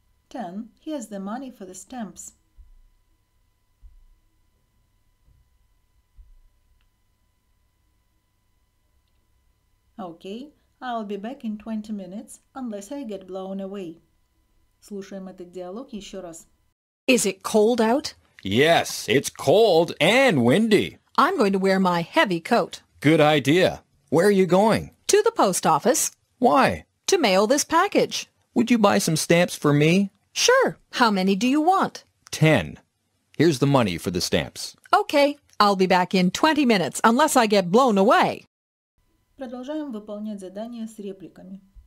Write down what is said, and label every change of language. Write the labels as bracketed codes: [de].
[en] 10. Here's the money for the stamps. Окей, okay. I'll be back in 20 minutes, unless I get blown away. [ru] Слушаем этот диалог еще раз. [en] Is it cold out? Yes, it's cold and windy. I'm going to wear my heavy coat. Good idea. Where are you going? To the post office. Why? To mail this package. Would you buy some stamps for me? Sure. How many do you want? 10. Here's the money for the stamps. Okay, I'll be back in 20 minutes, unless I get blown away. [ru] Продолжаем выполнять задание с репликами.